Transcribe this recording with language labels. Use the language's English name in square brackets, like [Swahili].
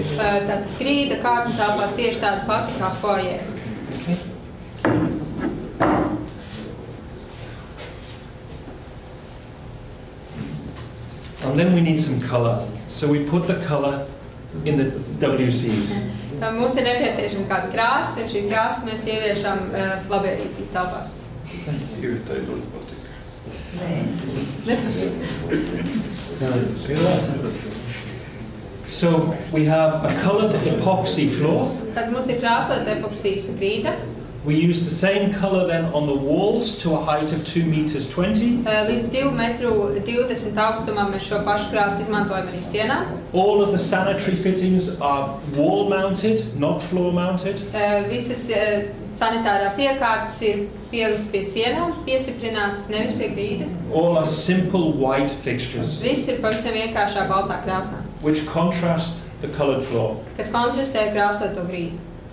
[English] Okay. And then we need some color. So we put the color in the WCs. [Latvian] Mums ir nepieciešama kāds krāsas, un šī krāsa mēs ieviešam labierīcī telpās. [English] So we have a colored epoxy floor. [Latvian] Tad mums ir krāsot epoxy grīda. [English] We use the same color then on the walls to a height of 2.20 meters. [Latvian] Līdz 2.20 metru augstumā mēs šo pašu krāsu izmantojam arī sienā. [English] All of the sanitary fittings are wall mounted, not floor mounted. [Latvian] Visas sanitārās iekārtas ir pieliktas pie sienām, piestiprinātas, nevis pie grīdas. [English] All are simple white fixtures. [Latvian] Viss ir pavisam vienkāršā baltā krāsā. [English] Which contrast the colored floor. [Latvian] Kas kontrastē krāsoto grīdu.